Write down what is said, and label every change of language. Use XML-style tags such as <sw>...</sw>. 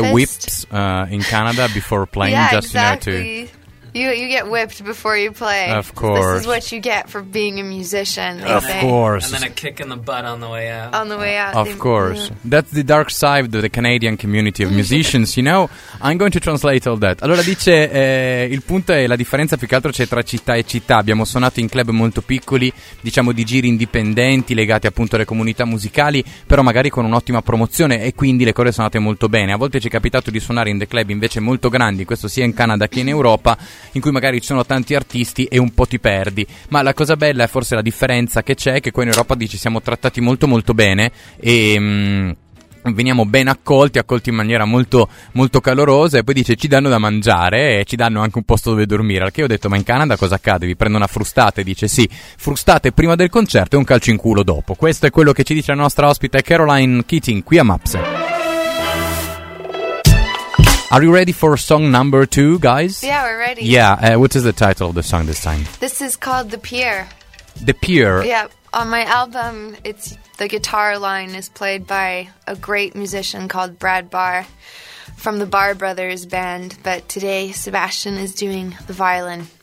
<en>To get whipped in Canada before playing? Yeah, just exactly. You know, too. You get whipped before you play. Of course. This is what you get for being a musician. Of course. And then a kick in the butt on the way out. On the way out. Of course. Yeah. That's the dark side of the Canadian community of musicians, you know? I'm going to translate all that.</en> <it>Allora dice, il punto è la differenza più che altro c'è tra città e città. Abbiamo suonato in club molto piccoli, diciamo di giri indipendenti, legati appunto alle comunità musicali, però magari con un'ottima promozione e quindi le cose sono andate molto bene. A volte ci è capitato di suonare in dei club invece molto grandi, questo sia in Canada che in Europa, in cui magari ci sono tanti artisti e un po' ti perdi. Ma la cosa bella è forse la differenza che c'è, che qua in Europa ci siamo trattati molto molto bene e veniamo ben accolti in maniera molto molto calorosa. E poi dice ci danno da mangiare e ci danno anche un posto dove dormire. Al che io ho detto, ma in Canada cosa accade? Vi prendo una frustata? E dice sì, frustate prima del concerto e un calcio in culo dopo. Questo è quello che ci dice la nostra ospite Caroline Keating qui a Mapse.</it> <en>Are you ready for song number two, guys? Yeah, we're ready. Yeah, what is the title of the song this time? This is called The Pier. The Pier. Yeah, on my album, it's the guitar line is played by a great musician called Brad Barr from the Barr Brothers band, but today Sebastian is doing the violin.</en>